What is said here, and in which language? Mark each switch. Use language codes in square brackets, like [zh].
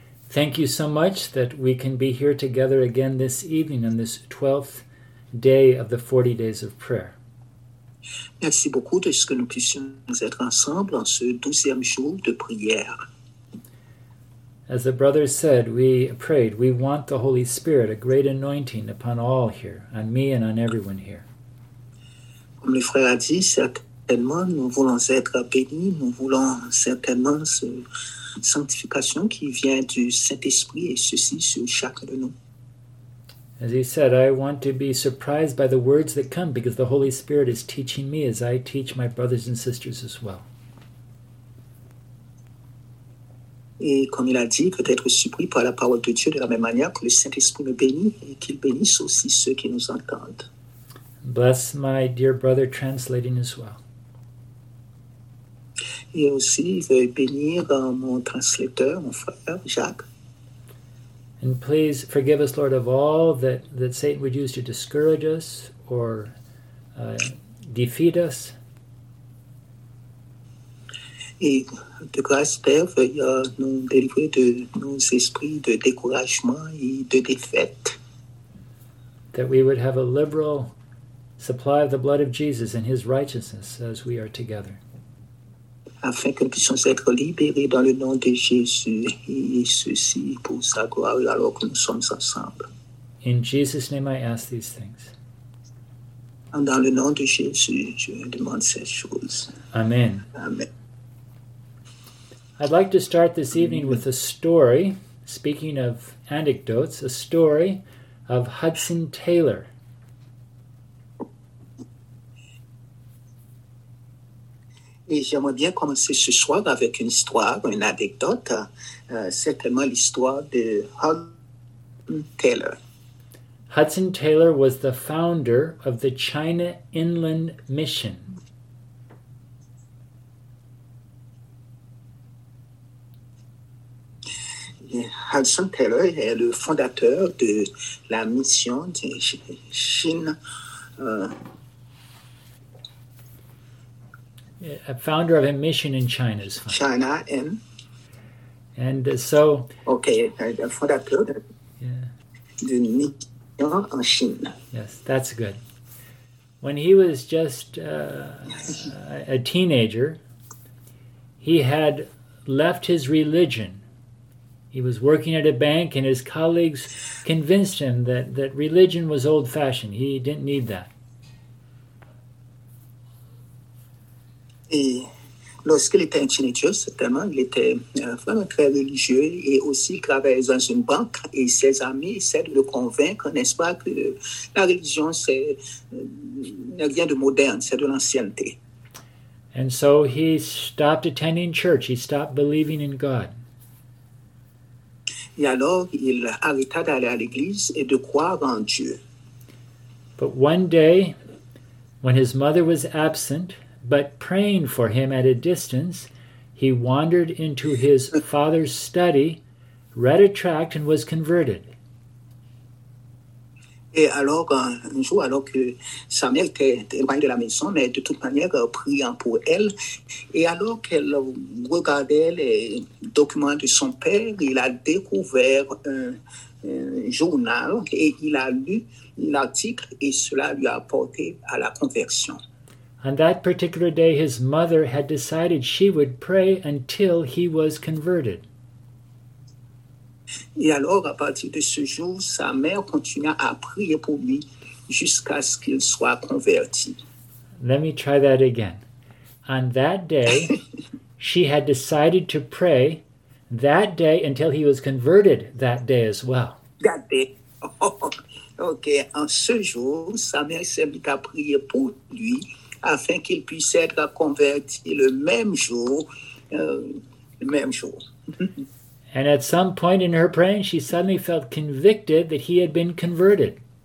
[en] thank you so much that we can be here together again this evening on this 12th day of the 40 days of prayer. [fr] Merci beaucoup de ce que nous puissions être ensemble en ce 12e jour de prière. [en] As the brother said, we prayed, we want the Holy Spirit, a great anointing upon all here, on me and on everyone here. [fr] Comme le frère a dit, certainement nous voulons être bénis, nous voulons certainement cette sanctification qui vient du Saint-Esprit et ceci sur chacun de nous. [en] As he said, I want to be surprised by the words that come because the Holy Spirit is teaching me as I teach my brothers and sisters as well. [fr] Et comme il a dit, peut-être surpris par la parole de Dieu de la même manière que le Saint-Esprit me bénit et qu'il bénisse aussi ceux qui nous entendent. [en] Bless my dear brother translating as well. [fr] Et aussi, il veut bénir mon translateur, mon frère Jacques. [en] And please forgive us, Lord, of all that Satan would use to discourage us or defeat us. [fr] Et de grâce, Père, veuille nous délivrer de nos esprits de découragement et de défaite. [en] That we would have a liberal supply of the blood of Jesus and his righteousness as we are together. [fr] Afin que nous puissions être libérés dans le nom de Jésus et ceci pour sa gloire alors que nous sommes ensemble. [en] In Jesus' name I ask these things. [fr] Dans le nom de Jésus, je demande ces choses. [en] Amen. [fr] Amen. [en] I'd like to start this evening with a story, speaking of anecdotes, a story of Hudson Taylor. [fr] Et j'aimerais bien commencer ce soir avec une histoire, une anecdote, certainement l'histoire de Hudson Taylor. [en] Hudson Taylor was the founder of the China Inland Mission. [fr] Hudson Taylor est le fondateur de la mission de Chine. [en] A founder of a mission in China. Is fine. China in. And so. Okay, for that good. Yeah. The mission in China. Yes, that's good. When he was just a teenager, he had left his religion. He was working at a bank, and his colleagues convinced him that religion was old-fashioned. He didn't need that. [fr] Et lorsqu'il était un teenager, certainement, il était vraiment très religieux et aussi il travaillait dans une banque et ses amis essaient de le convaincre, n'est-ce pas, que la religion, c'est rien de moderne, c'est de l'ancienneté. [en] And so he stopped attending church, he stopped believing in God. [fr] Et alors, il arrêta d'aller à l'église et de croire en Dieu. [en] But one day, when his mother was absent, but praying for him at a distance, he wandered into his father's study, read a tract, and was converted. [fr] Et alors, un jour, alors que sa mère était éloignée de la maison, mais de toute manière, priant pour elle, et alors qu'elle regardait les documents de son père, il a découvert un journal, et il a lu l'article, et cela lui a porté à la conversion. [en] On that particular day, his mother had decided she would pray until he was converted. [fr] Et alors, à partir de ce jour, sa mère continua à prier pour lui jusqu'à ce qu'il soit converti. [en] Let me try that again. On that day, she had decided to pray that day until he was converted that day as well. That day. [fr] Ok, en ce jour, sa mère s'est mise à prier pour lui afin qu'il puisse être converti le même jour. Le même jour. [en] And at some point in her praying, she suddenly felt convicted that he had been converted.